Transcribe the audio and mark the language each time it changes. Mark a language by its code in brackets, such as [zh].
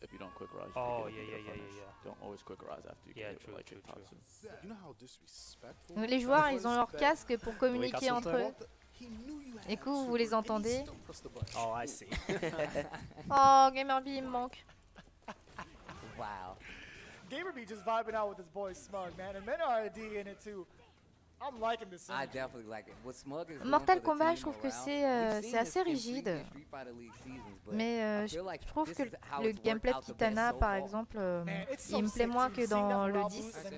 [en] If you don't quick rise, don't always quick rise after you get hit by Tatsu. You know how disrespectful. [fr] Les joueurs, ils ont leur casque pour communiquer entre eux. Et coup, vous les entendez? [en] Oh, I see. [fr] Oh, Gamer B, il me manque. [en] Wow. Gamer B just vibing out with his boy Smug, man. And MenRD in it too. I'm liking this. I definitely like it. What Smug is [fr] Mortal Kombat, je trouve que c'est assez rigide. Mais je trouve que le gameplay de Kitana, par exemple, il me plaît moins que dans le 10.